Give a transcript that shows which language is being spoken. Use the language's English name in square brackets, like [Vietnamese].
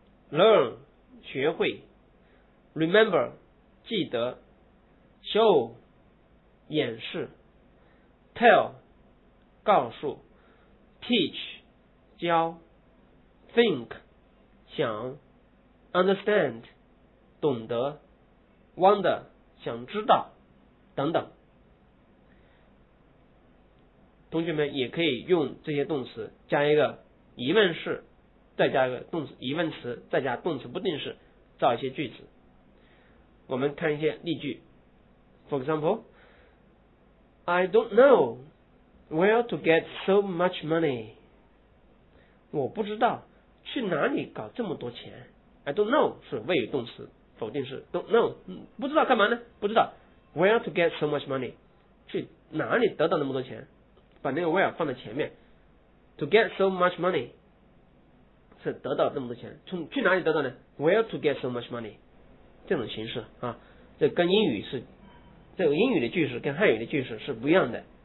[Chinese] learn 学会Remember, 记得 Show, 演示 Tell, 告诉 Teach, 教 Think, 想 Understand, 懂得 Wonder, 想知道等等。同学们也可以用这些动词加一个疑问式，再加一个动词疑问词，再加动词不定式，造一些句子。我们看一些例句。 [English] For example, I don't know where to get so much money. [Chinese] 我不知道去哪里搞这么多钱。 [English] I don't know [Chinese] 是谓语动词，否定式 [English] don't know, [Chinese] 不知道干嘛呢，不知道 [English] where to get so much money, [Chinese] 去哪里得到那么多钱，把那个 where 放在前面。 [English] to get so much money [Chinese] 是得到这么多钱，从去哪里得到呢， [English] where to get so much money, [Chinese] 这种形式啊，这跟英语是，这个英语的句式跟汉语的句式是不一样的。